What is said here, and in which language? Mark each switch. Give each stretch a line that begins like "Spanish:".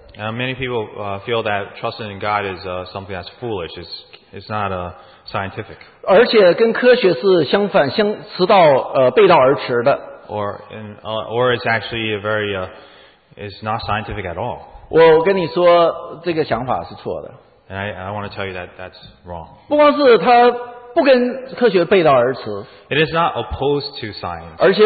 English: Many people feel that trusting in God is something that's foolish, it's not scientific.
Chinese: 而且跟科学是相反, 相迟到, 背道而驰的。
English: Or it's actually a very, it's not scientific at all.
Chinese: 我跟你说这个想法是错的。
English: And I want to tell you that that's wrong.
Chinese: 不光是他不跟科学背道而驰,
English: it is not opposed to science.